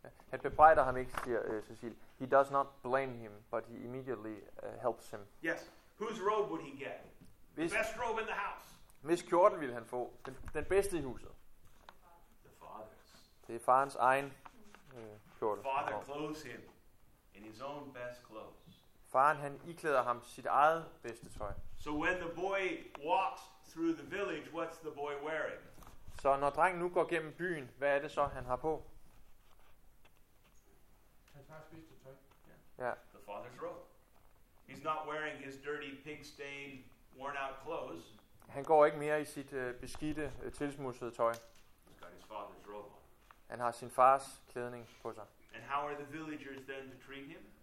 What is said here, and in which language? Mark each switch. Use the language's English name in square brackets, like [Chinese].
[Danish] Han bebrejder ham ikke, siger Cecil. [English] He does not blame him, but he immediately helps him. Yes. Whose robe would he get? The best robe in the house. [Danish] Hvis kjorten ville han få? Den bedste i huset. [English] The father's. [Danish] Det er farens egen kjorte. [English] Father clothes him in his own best clothes. [Danish] Faren, han iklæder ham sit eget bedste tøj. [English] So when the boy walks through the village, what's the boy wearing? [Danish] Så når drengen nu går gennem byen, hvad er det så, han har på? [English] Yeah. The father's robe. He's not wearing his dirty, pig-stained, worn-out clothes. [Danish] Han går ikke mere i sit beskidte, tilsmudsede tøj. [English] He's got his father's robe on. [Danish] Han har sin fars klædning på sig. [English] And how are the villagers then to treat him?